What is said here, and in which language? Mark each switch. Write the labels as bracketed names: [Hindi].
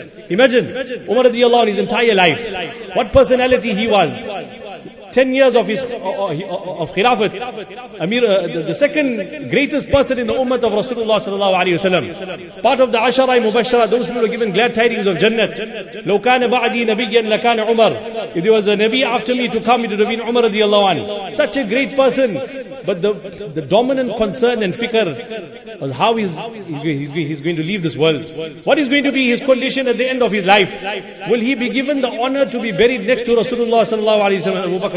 [English] Imagine, Umar radiallahu anhu, his entire life, what personality he was. 10 years of his of Khilafat, Amir, the second greatest person in the ummah of Rasulullah sallallahu alaihi wasallam, part of the Ashara Mubashara, those who were given glad tidings of Jannah. [Arabic] لو كان بعدي نبيا لكان عمر. [English] If there was a Nabi after me to come, it would have been Umar radiallahu anhu. Such a great person, but the dominant concern and fikr was how he's going to leave this world. What is going to be his condition at the end of his life? Will he be given the honor to be buried next to Rasulullah sallallahu alaihi wasallam?